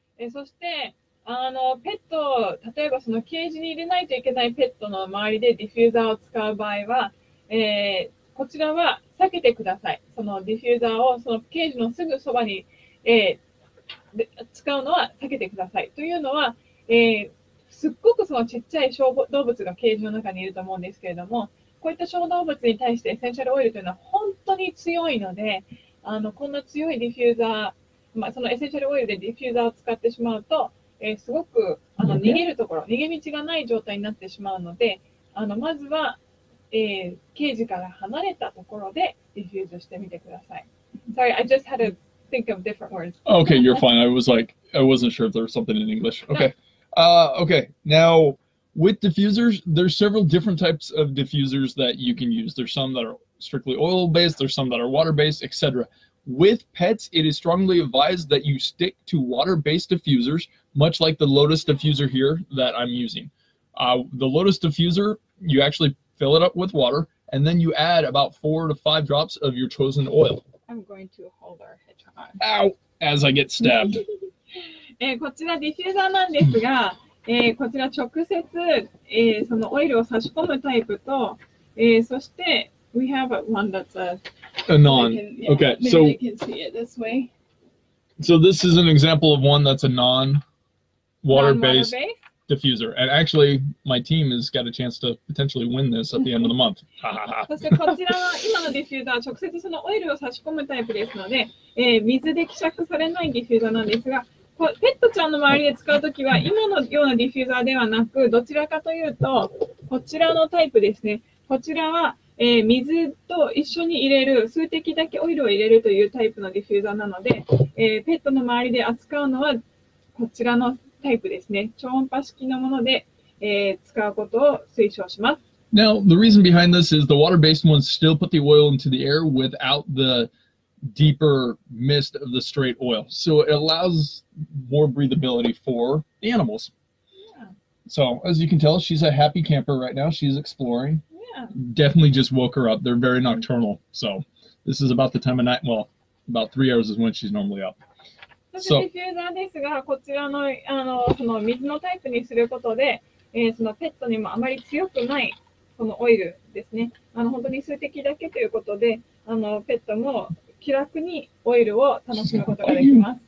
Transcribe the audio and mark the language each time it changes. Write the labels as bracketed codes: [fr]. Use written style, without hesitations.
[ja] そしてあのペット、例えばそのケージに入れないといけないペットの周りでディフューザーを使う場合は、こちらは避けてください。そのディフューザーをそのケージのすぐそばに、使うのは避けてくださいというのは、すっごくそのちっちゃい小動物がケージの中にいると思うんですけれどもこういった小動物に対してエッセンシャルオイルというのは本当に強いのであのこんな強いディフューザー、そのエッセンシャルオイルでディフューザーを使ってしまうと、すごくあの逃げるところ逃げ道がない状態になってしまうのであのまずは、ケージから離れたところでディフューズしてみてください [en] Sorry, I just had aThink of different words. Okay, you're fine. I was like, I wasn't sure if there was something in English. Okay. Okay. Now, with diffusers, there's several different types of diffusers that you can use. There's some that are strictly oil-based, there's some that are water-based, etc. With pets, it is strongly advised that you stick to water-based diffusers, much like the Lotus diffuser here that I'm using. The Lotus diffuser, you actually fill it up with water, and then you add about 4 to 5 drops of your chosen oil. I'm going to hold our hedgehog. Ow! As I get stabbed. [ja] こちらディフューザーなんですが、こちら直接、そのオイルを差し込むタイプと、そして [en] we have one that's a non. Okay, so you can see it this way. So this is an example of one that's a non water-based diffuser. And actually, my team has got a chance to potentially win this at the end of the month. [ja] そしてこちらは今のディフューザー直接そのオイルを差し込むタイプですので、水で希釈されないディフューザーなんですが、ペットちゃんの周りで使うときは今のようなディフューザーではなく、どちらかというとこちらのタイプですね。こちらは、水と一緒に入れる、数滴だけオイルを入れるというタイプのディフューザーなので、ペットの周りで扱うのはこちらのタイプですね。超音波式のもので、使うことを推奨します。 [en] Now, the reason behind this is the water-based ones still put the oil into the air without the deeper mist of the straight oil. So it allows more breathability for the animals. Yeah. So, as you can tell, she's a happy camper right now. She's exploring. Yeah. Definitely just woke her up. They're very nocturnal. So this is about the time of night. Well, about 3 hours is when she's normally up. [ja] そしてディフューザーですが、こちらの、あの、その水のタイプにすることで、そのペットにもあまり強くないそのオイルですね。あの本当に数滴だけということで、あのペットも気楽にオイルを楽しむことができます。